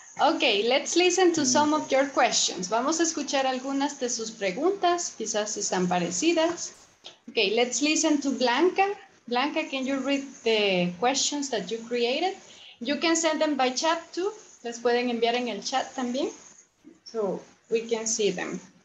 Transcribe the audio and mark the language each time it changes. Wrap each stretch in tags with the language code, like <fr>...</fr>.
<en>Ok, let's listen to some of your questions.</en> <es>Vamos a escuchar algunas de sus preguntas, quizás están parecidas.</es> <en>Ok, let's listen to Blanca. Blanca, can you read the questions that you created? You can send them by chat too.</en> <es>Las pueden enviar en el chat también.</es> <en>So we can see them.</en>